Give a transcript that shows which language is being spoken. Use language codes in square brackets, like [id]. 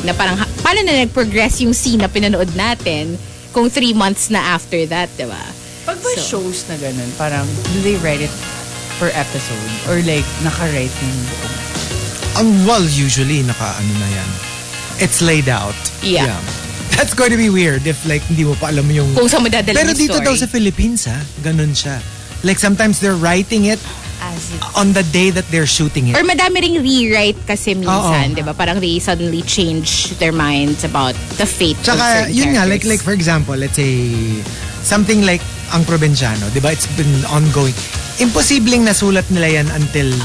[tl] Na parang, paano na nag-progress yung scene na pinanood natin kung 3 months na [en] after that, [tl] di ba? Pag ba [en] so, shows na ganun, parang, do they write it per episode? [tl] Or like, naka-write yung buong? [en] Well, usually, [tl] naka-ano na yan. [en] It's laid out. Yeah. That's going to be weird if like [tl] hindi mo pa alam yung kung saan madadala yung story. Pero dito daw sa Philippines ha, ganun siya. [en] Like sometimes they're writing it as on the day that they're shooting it. [tl] Or madami ring rewrite kasi minsan, oh, oh, 'di ba? [en] Parang they suddenly change their minds about the fate. [tl] Saka, [en] of certain characters. [tl] Yun nga, [en] like for example, let's say something like Ang Probinsyano, 'di ba? It's been ongoing. [tl] Imposibleng nasulat nila yan until